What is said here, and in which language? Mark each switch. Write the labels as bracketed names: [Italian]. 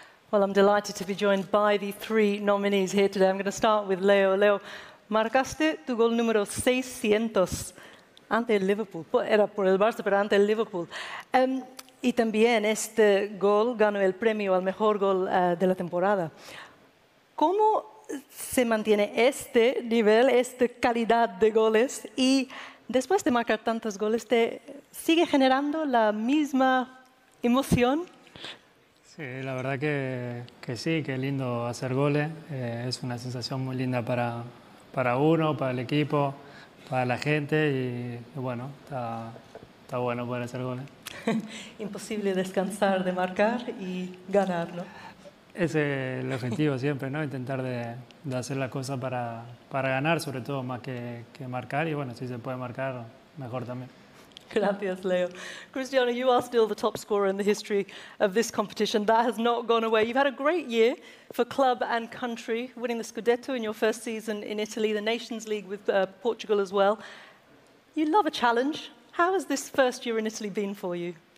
[English] Well, I'm delighted to be joined by the three nominees here today. I'm going to start with Leo. [Spanish] Leo, marcaste tu gol número 600 ante el Liverpool. Era por el Barça, pero ante el Liverpool. Y también este gol ganó el premio al mejor gol de la temporada. ¿Cómo se mantiene este nivel, esta calidad de goles? Y después de marcar tantos goles, ¿te sigue generando la misma emoción? Sí, la verdad que sí, qué lindo hacer goles. Es una sensación muy linda para uno, para el equipo, para la gente. Y bueno, está bueno poder hacer goles. Imposible descansar de marcar y ganar, ¿no? Ese es el objetivo siempre, ¿no? Intentar de hacer las cosas para ganar, sobre todo, más que marcar. Y bueno, si se puede marcar, mejor también. Gracias, Leo. [English] Cristiano, you are still the top scorer in the history of this competition. That has not gone away. You've had a great year for club and country, winning the Scudetto in your first season in Italy, the Nations League with Portugal as well. You love a challenge. How has this first year in Italy been for you?